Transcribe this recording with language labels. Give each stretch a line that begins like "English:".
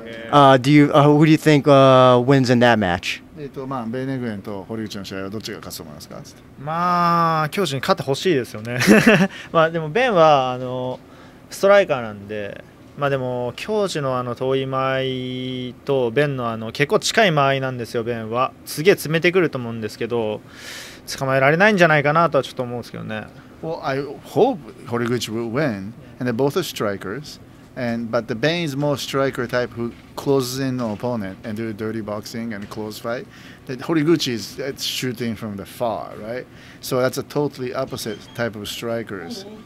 English: Who do you think wins in that match?
Japanese: ベネグエンとホリウチの試合はどっちが勝つと思いますか？まあ教授に勝ってほしいですよね。まあでもベンはあのストライカーなんで、まあ、でも京次 の遠い間合いとベン の結構近い間合いなんですよ。ベンはすげえ詰めてくると思うんですけど、捕まえられないんじゃないかなとはちょっと思うんですけどね。
English: Well, I hope Horiguchi will win, and they're both strikers, but the Ben is more striker type who closes in the opponent and do dirty boxing and close fight. That Horiguchi is shooting from the far, right? So that's a totally opposite type of strikers.